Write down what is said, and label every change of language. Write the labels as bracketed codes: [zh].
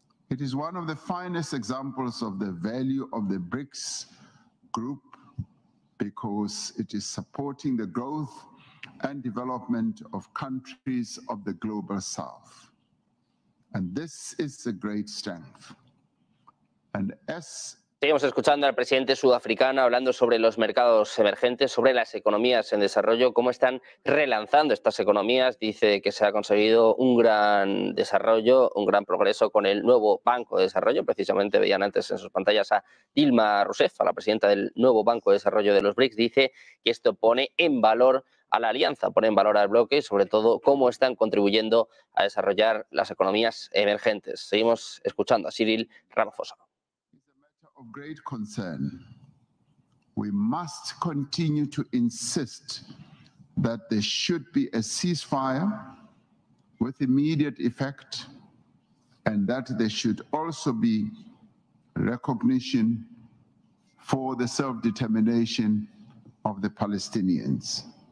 [en] It is one of the finest examples of the value of the BRICS group because it is supporting the growth and development of countries of the global south. And this is a great strength. And as [es] Seguimos escuchando al presidente sudafricano hablando sobre los mercados emergentes, sobre las economías en desarrollo, cómo están relanzando estas economías. Dice que se ha conseguido un gran desarrollo, un gran progreso con el nuevo Banco de Desarrollo. Precisamente veían antes en sus pantallas a Dilma Rousseff, a la presidenta del nuevo Banco de Desarrollo de los BRICS. Dice que esto pone en valor a la alianza, pone en valor al bloque y sobre todo cómo están contribuyendo a desarrollar las economías emergentes. Seguimos escuchando a Cyril Ramaphosa. [en] Of great concern, we must continue to insist that there should be a ceasefire with immediate effect and that there should also be recognition for the self-determination of the Palestinians.